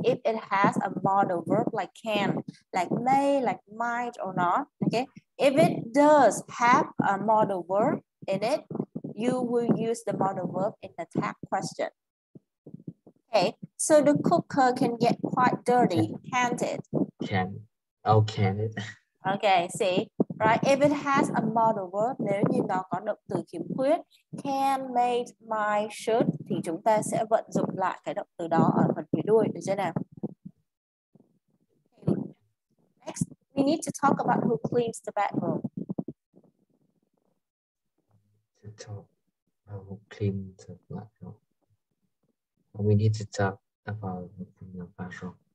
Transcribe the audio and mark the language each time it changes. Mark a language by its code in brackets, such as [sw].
[en] If it has a modal verb like can, like may, like might or not. Okay. If it does have a modal verb in it, you will use the modal verb in the tag question. Okay. So the cooker can get quite dirty, can't it? Can. Oh, can it? Okay. See. Right, if it has a modal verb, [vi] nếu như nó có động từ khiếm khuyết, can, made, my, should, thì chúng ta sẽ vận dụng lại cái động từ đó ở phần phía đuôi, được chưa nào? [en] Okay. Next, we need to talk about who cleans the bathroom. To talk about who cleans the bathroom. We need to talk about who cleans the bathroom.